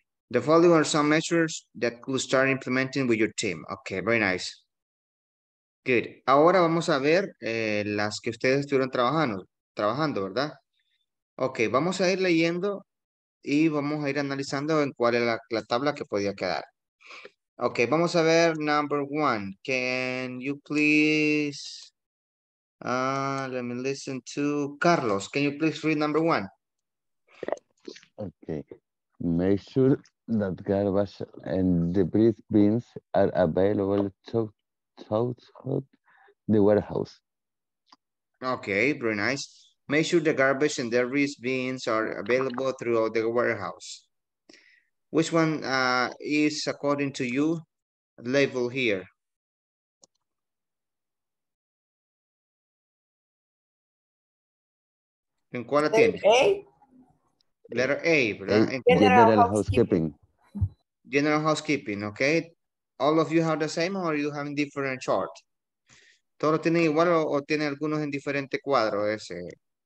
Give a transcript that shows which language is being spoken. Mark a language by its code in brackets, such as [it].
[en] The following are some measures that could start implementing with your team. Okay, very nice. Good. [es] Ahora vamos a ver las que ustedes estuvieron trabajando, ¿verdad? Okay, vamos a ir leyendo y vamos a ir analizando en cuál es la tabla que podía quedar. Okay, vamos a ver [en] number one. Can you please, let me listen to Carlos. Can you please read number one? Okay, make sure that garbage and debris bins are available throughout the warehouse. Okay, very nice. Make sure the garbage and debris bins are available throughout the warehouse. Which one is, according to you, labeled here? [es] ¿En cuál tiene? [en] Letter A, general housekeeping. General housekeeping, okay. All of you have the same or you have a different chart? [es] ¿Todo tiene igual o tiene algunos en diferente cuadro ese?